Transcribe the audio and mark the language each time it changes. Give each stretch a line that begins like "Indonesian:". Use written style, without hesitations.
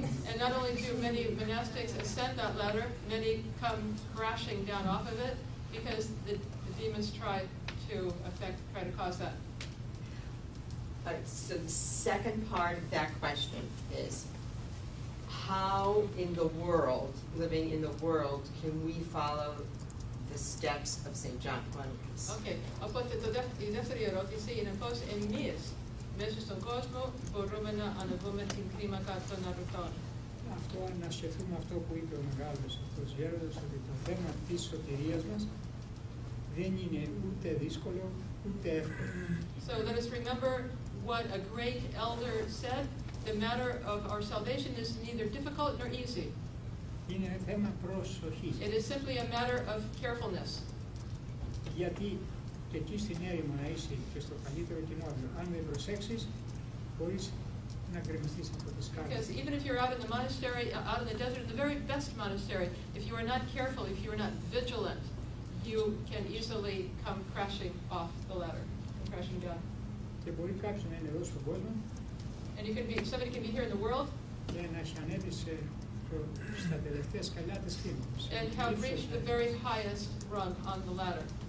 English: And not only do many monastics ascend that ladder, many come crashing down off of it because the demons try to cause that. So the second part of that question is, how in the world, living in the world, can we follow the steps of St. John Climacus? Okay.
Greek: Οπότε το η δεύτερη ερώτηση είναι πώς εμείς μέσα στον κόσμο μπορούμε να ανεβούμε την κλίμακα των αρρωτών. Αυτό να σκεφτούμε αυτό που είπε ο μεγάλος αυτός γέροντας, ότι το θέμα της σωτηρίας μας δεν είναι ούτε δύσκολο ούτε εύκολο.
English: So let us remember what a great elder said. The matter of our salvation is neither difficult nor easy.
Greek: Είναι θέμα προσοχής.
English: It is simply a matter of carefulness.
Greek: Γιατί και εκεί στην έρημο να είσαι και στο καλύτερο κοινόβιο, αν δεν προσέξεις, μπορείς να κρεμιστείς από τη σκάλα.
English: Because even if you're out in the monastery, out in the desert, the very best monastery, if you are not careful, if you are not vigilant, you can easily come crashing off the ladder, crashing down.
Greek: Και μπορεί κάποιος να είναι εδώ στον κόσμο.
English: And you can be, somebody can be here in the world and have reached the very highest rung on the ladder.